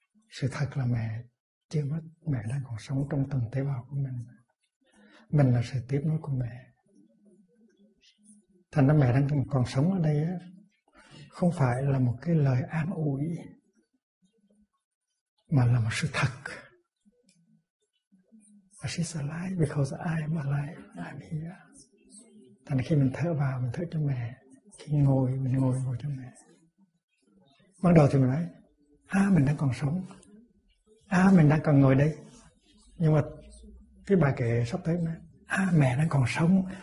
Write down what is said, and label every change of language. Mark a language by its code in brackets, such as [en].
[vi] Sự thật là mẹ chưa mất, mẹ đang còn sống trong từng tế bào của mình. Mình là sự tiếp nối của mẹ. Thành ra mẹ đang còn sống ở đây á, không phải là một cái lời an ủi, mà là một sự thật. [en] She's alive because I am alive. I'm here. [vi] Thành ra khi mình thở vào, mình thở cho mẹ. Khi ngồi, mình ngồi cho mẹ. Bắt đầu thì mình nói, mình đang còn sống. Mình đang còn ngồi đây. Nhưng mà cái bài kệ sắp tới nói, mẹ đang còn sống.